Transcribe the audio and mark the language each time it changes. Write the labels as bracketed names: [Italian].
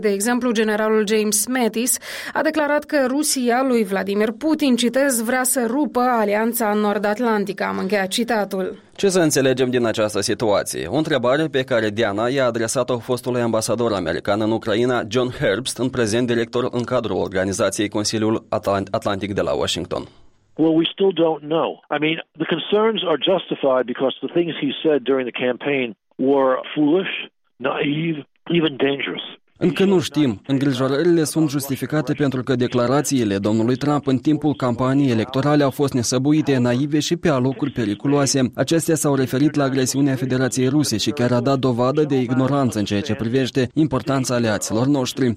[Romanian] De exemplu, generalul James Mattis a declarat că Rusia lui Vladimir Putin, citez, vrea să rupă alianța nord-atlantică. Am încheiat citatul. Ce să înțelegem din această situație? O întrebare pe care Diana i-a adresat-o fostului ambasador american în Ucraina, John Herbst, în prezent director în cadrul organizației Consiliul Atlantic de la Washington. [English] Well, we still don't know. I mean, the concerns are justified because the things he said during the campaign were foolish, naive, even dangerous. [Romanian] Încă nu știm. Îngrijorările sunt justificate pentru că declarațiile domnului Trump în timpul campaniei electorale au fost nesăbuite, naive și pe alocuri periculoase. Acestea s-au referit la agresiunea Federației Ruse și chiar a dat dovadă de ignoranță în ceea ce privește importanța aliaților noștri.